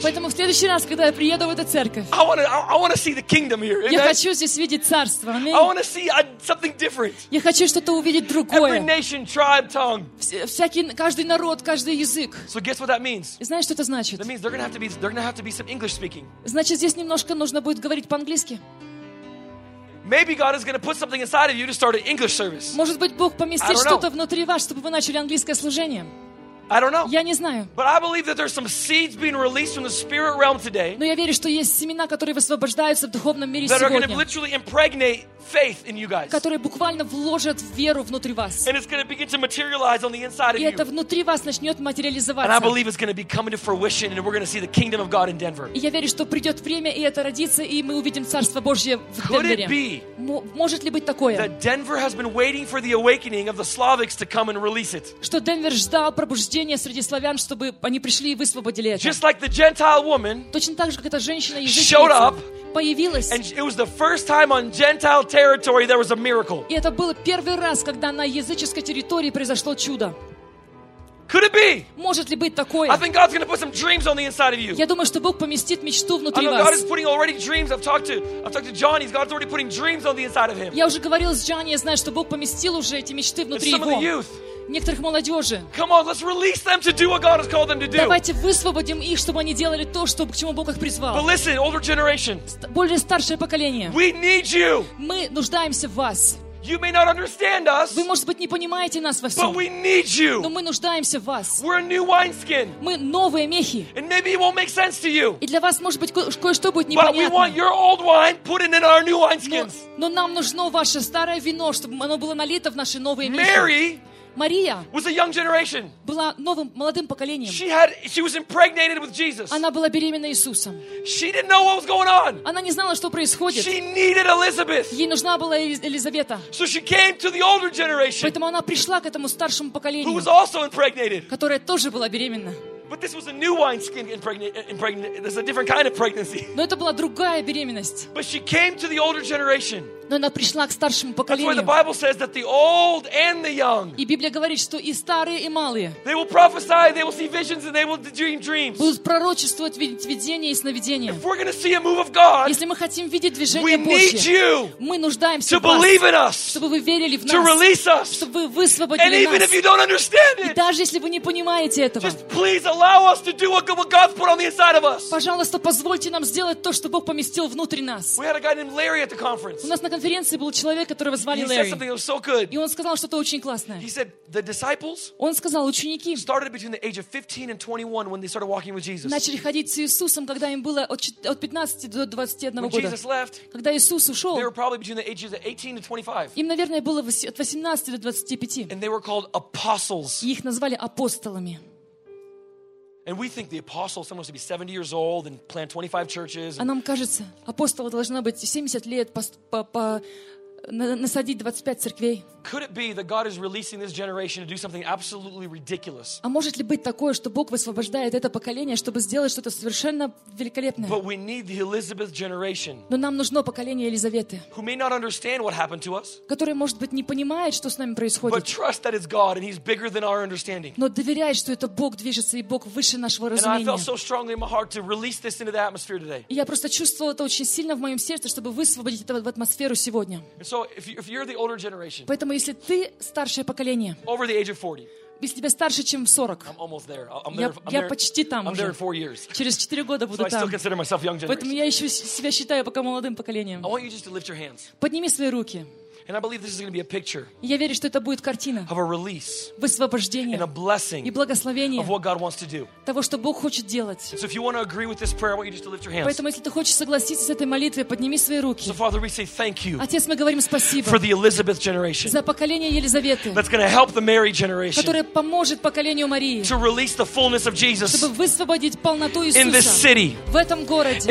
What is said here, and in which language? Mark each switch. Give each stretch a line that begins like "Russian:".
Russian: Поэтому в следующий раз, когда я приеду в эту церковь.
English: I want to see the kingdom here.
Russian: Я хочу здесь видеть царство.
English: I want to see something different.
Russian: Я хочу что-то увидеть другое.
English: Every nation, tribe, tongue.
Russian: Всякий каждый народ, каждый язык.
English: So guess what that means?
Russian: И знаешь, что это значит?
English: That means they're gonna have to be some English speaking.
Russian: Значит, здесь немножко нужно будет говорить по-английски.
English: Maybe God is going to put something inside of you to start an English service.
Russian: Может быть, Бог поместит что-то внутри вас, чтобы вы начали английское служение.
English: I don't know.
Russian: Я не знаю.
English: But I believe that there's some seeds being released from the spirit realm today.
Russian: Но я верю, что есть семена, которые высвобождаются в духовном мире сегодня.
English: That are going to literally impregnate faith in you guys.
Russian: Которые буквально вложат веру внутри вас.
English: And it's going to begin to materialize on the inside of you.
Russian: И это внутри вас начнет материализоваться.
English: And I believe it's going to be coming to fruition, and we're going to see the kingdom of God in Denver.
Russian: И я верю, что придет время, и это родится, и мы увидим царство Божье в Денвере.
English: Could it be?
Russian: Может ли быть такое?
English: That Denver has been waiting for the awakening of the Slavics to come and release it.
Russian: Что Денвер ждал пробуждения среди славян, чтобы они пришли и высвободили это.
English: Just like the Gentile woman.
Russian: Точно так же, как эта женщина язычница.
English: Showed up.
Russian: Появилась.
English: And it was the first time on Gentile territory there was a miracle.
Russian: И это был первый раз, когда на языческой территории произошло чудо.
English: Could it be?
Russian: Может ли быть такое?
English: I think God's going to put some dreams on the inside of you.
Russian: Я думаю, что Бог поместит мечту внутри вас.
English: I know God is putting already dreams. I've talked to Johnny. God's already putting dreams on the inside of him.
Russian: Я уже говорил с Джонни, я знаю, что Бог поместил уже эти мечты внутри его.
English: Some of the youth.
Russian: Некоторых молодежи.
English: Come on, let's release them to do what God has called them to do.
Russian: Давайте высвободим их, чтобы они делали то, что к чему Бог их призвал.
English: But listen, older generation.
Russian: Более старшее поколение.
English: We need you.
Russian: Мы нуждаемся в вас.
English: You may not understand us.
Russian: Вы, может быть, не понимаете нас во всем.
English: But we need you.
Russian: Но мы нуждаемся в вас.
English: We're a new wineskin.
Russian: Мы новые мехи.
English: And maybe it won't make sense to you.
Russian: И для вас, может быть, кое-что будет непонятно.
English: But we want your old wine put in our new wineskins.
Russian: Но нам нужно ваше старое вино, чтобы оно было налито в наши новые мехи.
English: Mary.
Russian: Мария
English: was a young generation.
Russian: Была новым молодым поколением.
English: She was impregnated with Jesus.
Russian: Она была беременна Иисусом.
English: She didn't know what was going on.
Russian: Она не знала, что происходит.
English: She needed Elizabeth.
Russian: Ей нужна была Елизавета.
English: So she came to the older generation.
Russian: Поэтому она пришла к этому старшему поколению.
English: Who was also impregnated.
Russian: Которая тоже была беременна.
English: But this was a new wineskin impregnated. This is a different kind of pregnancy.
Russian: Но это была другая беременность.
English: But she came to the older generation.
Russian: Но она пришла к старшему поколению.
English: That's why the Bible says that the old and the young.
Russian: И Библия говорит, что и старые, и малые.
English: They will prophesy, they will see visions, and they will dream dreams.
Russian: Будут пророчествовать, видеть видения и сновидения.
English: If we're going to see a move of God,
Russian: если мы хотим видеть движение Божье,
English: we need you.
Russian: Мы нуждаемся в вас.
English: To believe in us.
Russian: Чтобы вы верили в нас.
English: To release us.
Russian: Чтобы вы высвободили нас.
English: And even if you don't understand it.
Russian: И даже если вы не понимаете этого.
English: Just please allow us to do what God's put on the inside of us.
Russian: Пожалуйста, позвольте нам сделать то, что Бог поместил внутрь нас.
English: We had a guy named Larry at the conference.
Russian: У нас на конференции был человек, которого звали Ларри.
English: So
Russian: и он сказал что-то очень классное.
English: Said,
Russian: он сказал, ученики начали ходить с Иисусом, когда им было от 15 до 21
English: when
Russian: года.
English: Jesus left,
Russian: когда Иисус ушел,
English: they were probably between the ages of 18 to 25.
Russian: Им, наверное, было от 18 до 25.
English: And they were called apostles.
Russian: И их назвали апостолами.
English: And we think the apostle someone should be 70 years old and plant 25 churches.
Russian: А нам кажется, апостол должна быть 70 лет по насадить 25 церквей.
English: Could it be that God is releasing this generation to do something absolutely ridiculous?
Russian: А может ли быть такое, что Бог высвобождает это поколение, чтобы сделать что-то совершенно великолепное?
English: But we need the Elizabeth generation.
Russian: Но нам нужно поколение Елизаветы.
English: Who may not understand what happened to us?
Russian: Которое, может быть, не понимает, что с нами происходит.
English: But trust that it's God and he's bigger than our understanding.
Russian: Но доверяй, что это Бог движется и Бог выше нашего разумения.
English: And I felt so strongly in my heart to release this into the atmosphere today.
Russian: Я просто чувствовала это очень сильно в моем сердце, чтобы высвободить это в атмосферу сегодня.
English: So if you're the older generation,
Russian: поэтому если ты старшее поколение,
English: over the age of 40,
Russian: если тебе старше, чем 40,
English: I'm almost there.
Russian: Я почти там уже.
English: I'm there in 4 years.
Russian: Через 4 года буду
English: so
Russian: там.
English: I still consider myself young generation.
Russian: Поэтому я еще себя считаю пока молодым поколением.
English: I want you just to lift your hands.
Russian: Подними свои руки.
English: And I believe this is going to be a picture.
Russian: Я верю, что это будет картина.
English: Of a release.
Russian: Высвобождение.
English: And a blessing.
Russian: И благословение.
English: Of what God wants to do.
Russian: Того, что Бог хочет делать.
English: So if you want to agree with this prayer, I want you just to lift your hands.
Russian: Поэтому если ты хочешь согласиться с этой молитвой, подними свои руки.
English: So Father, we say thank you.
Russian: Отец, мы говорим спасибо.
English: For the Elizabeth generation.
Russian: За поколение Елизаветы.
English: That's going to help the Mary generation.
Russian: Которое поможет поколению Марии.
English: To release the fullness of Jesus.
Russian: Чтобы высвободить полноту Иисуса.
English: In this city.
Russian: В этом городе.